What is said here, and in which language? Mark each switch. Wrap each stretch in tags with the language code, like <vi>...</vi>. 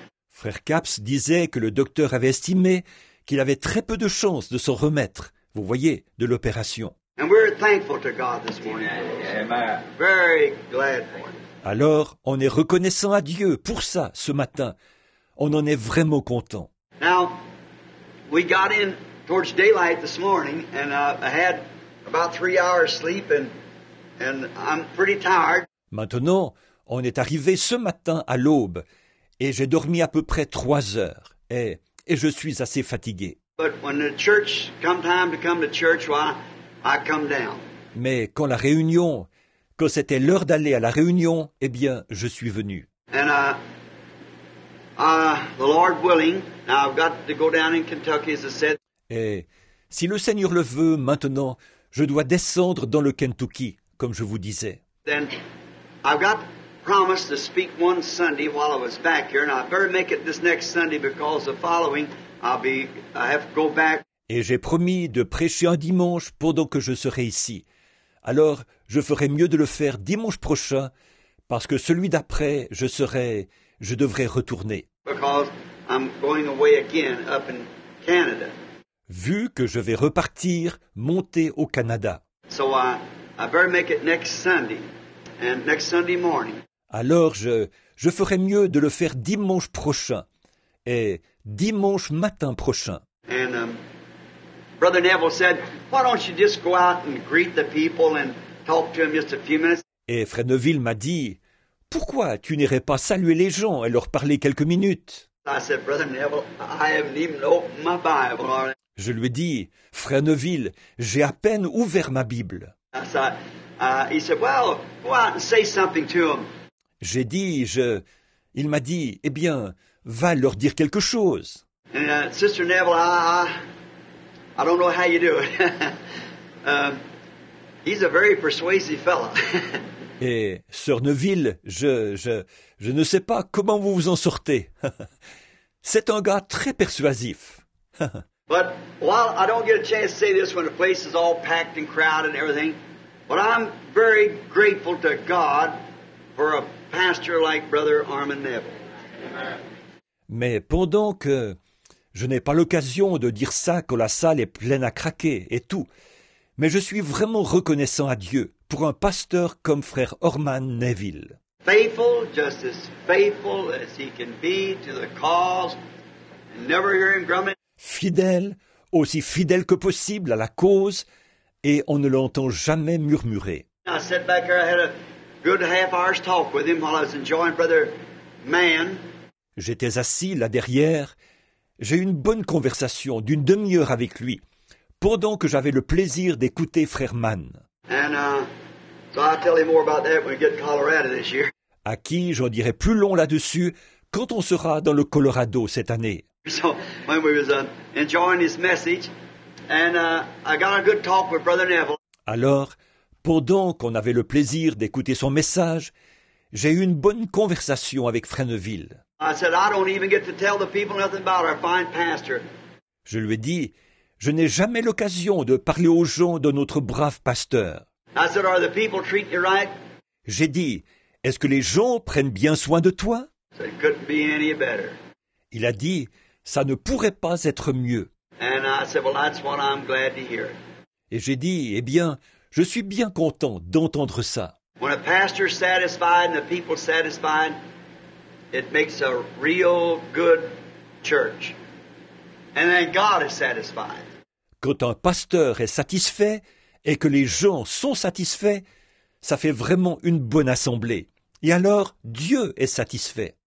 <fr>Frère Caps disait que le docteur avait estimé qu'il avait très peu de chances de s'en remettre, vous voyez, de l'opération.</fr> <en>And we're thankful to God this morning. Amen. Very glad for it.</en> <fr>Alors, on est reconnaissant à Dieu pour ça ce matin. On en est vraiment content.</fr> <en>Now, we got in towards daylight this morning, and I had about 3 hours sleep, and I'm pretty tired.</en> <fr>Maintenant, on est arrivé ce matin à l'aube, et j'ai dormi à peu près 3 heures, et je suis assez fatigué.</fr> <en>But when the church come time to come to church, well, I come down.</en> <fr>Mais quand la réunion, quand c'était l'heure d'aller à la réunion, eh bien, je suis venu.</fr> <en>And the Lord willing. Now I've got to go down in Kentucky, as I said.</en> <fr>Et si le Seigneur le veut, maintenant, je dois descendre dans le Kentucky, comme je vous disais.</fr> <en>Then I've got promise to speak one Sunday while I was back here, and I better make it this next Sunday because the following I have to go back.</en> <fr>Et j'ai promis de prêcher un dimanche pendant que je serai ici. Alors je ferai mieux de le faire dimanche prochain, parce que celui d'après je devrais retourner.</fr> <en>Because I'm going away again up in Canada.</en> <fr>Vu que je vais repartir, monter au Canada.</fr> <en>So I better make it next Sunday and next Sunday morning.</en> <fr>Alors je ferai mieux de le faire dimanche prochain et dimanche matin prochain.</fr> <en>And Brother Neville said, "Why don't you just go out and greet the people and talk to them just a few minutes?"</en> <fr>Et Frère Neville m'a dit, "Pourquoi tu n'irais pas saluer les gens et leur parler quelques minutes?"</fr> <en>I said, "Brother Neville, I haven't even opened my Bible."</en> <fr>Je lui ai dit, "Frère Neville, j'ai à peine ouvert ma Bible."</fr> <en>He said, "Well, go out and say something to him."</en> <fr>J'ai dit, il m'a dit, "Eh bien, va leur dire quelque chose."</fr> <en>And Sister Neville, I don't know how you do it. He's a very persuasive fellow.</en> <fr>Et Sœur Neville, je ne sais pas comment vous vous en sortez. C'est un gars très persuasif.</fr> <en>But while I don't get a chance to say this when the place is all packed and crowded and everything, but I'm very grateful to God for a pastor like Brother Armand Neville.</en> <fr>Mais pendant que je n'ai pas l'occasion de dire ça quand la salle est pleine à craquer et tout, mais je suis vraiment reconnaissant à Dieu pour un pasteur comme Frère Orman Neville.</fr> <en>Faithful, just as faithful as he can be to the cause, and never hear him grumbling.</en> <fr>Fidèle, aussi fidèle que possible à la cause, et on ne l'entend jamais murmurer.</fr> <en>I sat back here, I had a good half hour's talk with him while I was enjoying Brother Mann.</en> <fr>J'étais assis là derrière, j'ai eu une bonne conversation d'une demi-heure avec lui, pendant que j'avais le plaisir d'écouter Frère Mann.</fr> <en>And so I'll tell you more about that when we get to Colorado this year.</en> <fr>À qui j'en dirai plus long là-dessus quand on sera dans le Colorado cette année.</fr> <en>So when we was enjoying his message, and I got a good talk with Brother Neville.</en> <fr>Alors, pendant qu'on avait le plaisir d'écouter son message, j'ai eu une bonne conversation avec Fresneville.</fr> <en>I said, I don't even get to tell the people nothing about our fine pastor.</en> <fr>Je lui ai dit, je n'ai jamais l'occasion de parler aux gens de notre brave pasteur.</fr> <en>I said, are the people treating you right?</en> <fr>J'ai dit, est-ce que les gens prennent bien soin de toi?</fr> <en>So it couldn't be any better.</en> <fr>Il a dit, ça ne pourrait pas être mieux.</fr> <en>And I said, well, that's what I'm glad to hear.</en> <fr>Et j'ai dit, eh bien, je suis bien content d'entendre ça.</fr> <en>When a pastor's satisfied and the people's satisfied, it makes a real good church. And then God is satisfied.</en> <fr>Quand un pasteur est satisfait et que les gens sont satisfaits, ça fait vraiment une bonne assemblée. Et alors, Dieu est satisfait.</fr>